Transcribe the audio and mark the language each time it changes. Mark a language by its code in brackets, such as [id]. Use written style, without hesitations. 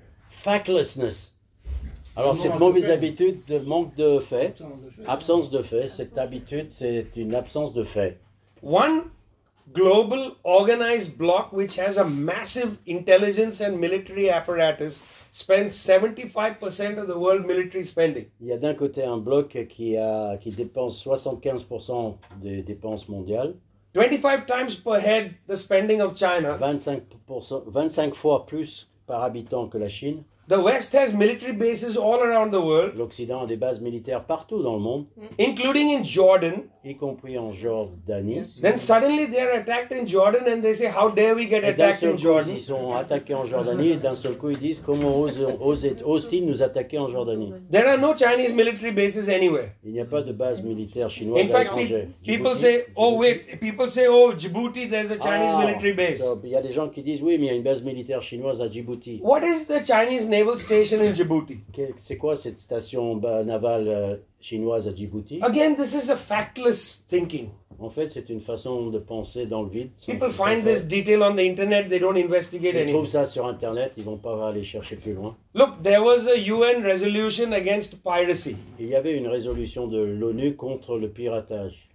[en] Factlessness. [fr] Alors cette mauvaise habitude de manque de faits, absence de faits, cette habitude c'est une absence de faits. [en] One global organized bloc which has a massive intelligence and military apparatus spends 75% of the world military spending. [fr] Il y a d'un côté un bloc qui dépense 75% des dépenses mondiales. [en] 25 times per head the spending of China. [fr] 25 fois plus par habitant que la Chine. [en] The West has military bases all around the world. [fr] L'Occident a des bases militaires partout dans le monde. [en] Including in Jordan. [fr] Y compris en Jordanie. Yes. [en] Then suddenly they are attacked in Jordan and they say, how dare we get attacked in Jordan? [fr] Ils sont attaqués en Jordanie et d'un seul coup ils disent, comment osent-ils nous attaquer en Jordanie? [en] There are no Chinese military bases anywhere. [fr] Il n'y a pas de base militaire chinoise à l'étranger. [en] In fact, people say, Djibouti, there's a Chinese military base. [fr] Il y a des gens qui disent, oui, mais il y a une base militaire chinoise à Djibouti. [en] What is the Chinese naval station in Djibouti? [fr] C'est quoi cette station navale chinoise à Djibouti? [en] Again, this is a factless thinking. [fr] En fait, c'est une façon de penser dans le vide. [en] People find this detail on the internet, they don't investigate anything. [fr] Ils trouvent ça sur internet, ils vont pas aller chercher plus loin. [en] Look, there was a UN resolution against piracy. [fr] Il y avait une résolution de l'ONU contre le piratage.